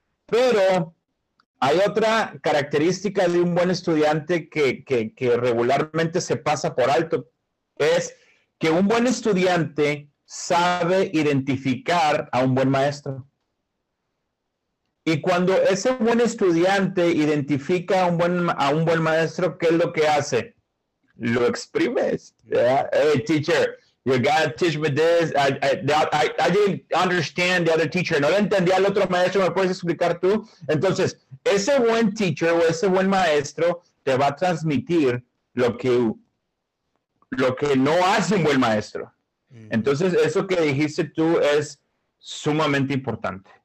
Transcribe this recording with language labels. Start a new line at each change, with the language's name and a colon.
Spanish: Pero hay otra característica de un buen estudiante que regularmente se pasa por alto, es que un buen estudiante sabe identificar a un buen maestro. Y cuando ese buen estudiante identifica a un buen maestro, ¿qué es lo que hace? Lo exprimes. Yeah.
English: Hey, teacher, you gotta teach me this. I didn't understand the other teacher.
Spanish: No lo entendía al otro maestro, ¿me puedes explicar tú? Entonces, ese buen
English: teacher
Spanish: o ese buen maestro te va a transmitir lo que no hace un buen maestro. Entonces, eso que dijiste tú es sumamente importante.